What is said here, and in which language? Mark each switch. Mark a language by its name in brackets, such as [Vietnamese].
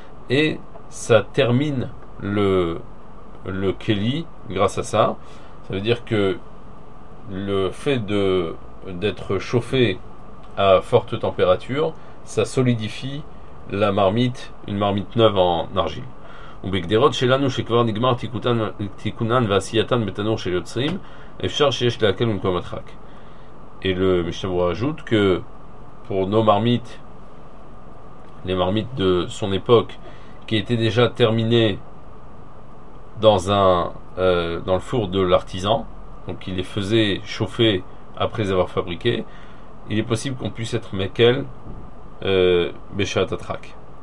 [French] Et ça termine le keli grâce à ça. Ça veut dire que le fait d'être chauffé à forte température, ça solidifie la marmite, une marmite neuve en argile. [Hebrew] ובגדרות שלנו שכבר נגמר תיקונן ועשייתן בתנור של יוצרים, אפשר שיש להקל במקום הדחק. [French] Et le Mishnah Berurah ajoute que pour nos marmites, les marmites de son époque, qui étaient déjà terminées dans le four de l'artisan, donc il les faisait chauffer après les avoir fabriquées, il est possible qu'on puisse être [Hebrew] mekel beshat hadchak.